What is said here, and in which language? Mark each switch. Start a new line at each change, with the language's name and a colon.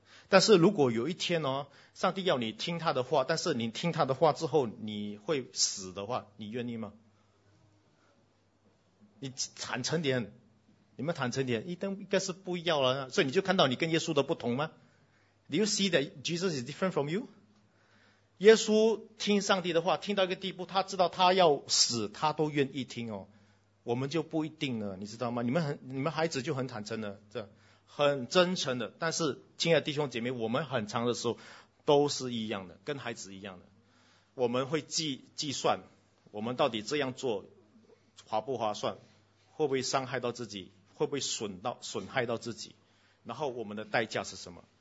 Chinese: 但是如果有一天哦，上帝要你听他的话，但是你听他的话之后你会死的话，你愿意吗？你坦诚点，你们坦诚点，应该是不要了。所以你就看到你跟耶稣的不同吗？
English: Do you see that Jesus is different from you?
Chinese: 耶稣听上帝的话，听到一个地步，他知道他要死，他都愿意听哦。我们就不一定了，你知道吗？你们孩子就很坦诚了，这很真诚的。但是亲爱的弟兄姐妹，我们很长的时候都是一样的，跟孩子一样的，我们会计算我们到底这样做划不划算，会不会伤害到自己，会不会损害到自己，然后我们的代价是什么。